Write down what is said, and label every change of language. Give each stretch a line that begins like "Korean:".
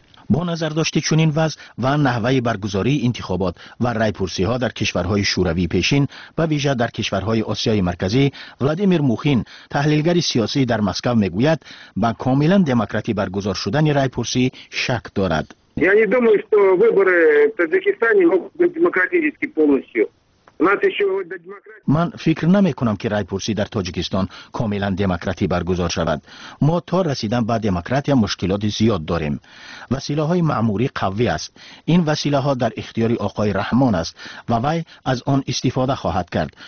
Persian: با نظر داشتی چنین وضع و نحوه برگزاری انتخابات و رای پرسی ها در کشورهای شوروی پیشین و ویژه در کشورهای آسیای مرکزی، ولادیمیر موخین تحلیلگر سیاسی در مسکو میگوید با کاملا دموکراتی برگزار شدن رای پرسی شک دارد.
Russian: یعنی думаю, что выборы в Таджикистане могут быть демократически полностью.
Persian: من فکر نمی کنم که رای پرسی در تاجیکستان کاملا دموکراتی برگزار شود. ما تا رسیدن به دموکراتی مشکلات زیاد داریم. وسیله های ماموری قوی است. این وسیله ها در اختیار آقای رحمان است و وی از آن استفاده خواهد کرد.